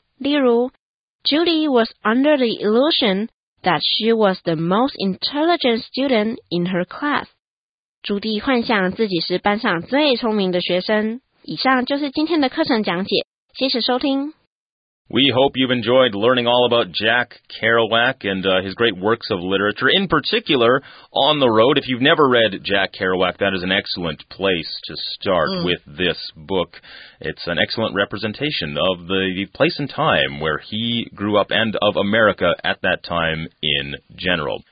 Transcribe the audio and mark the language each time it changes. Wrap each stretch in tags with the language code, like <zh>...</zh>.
<zh>例如</zh> <en>，Judy was under the illusion that she was the most intelligent student in her class。</en> <zh>朱迪幻想自己是班上最聪明的学生。以上就是今天的课程讲解，谢谢收听。</zh> <en>We hope you've enjoyed learning all about Jack Kerouac and his great works of literature, in particular, On the Road. If you've never read Jack Kerouac, that is an excellent place to start with this book. It's an excellent representation of the place and time where he grew up and of America at that time in general.</en>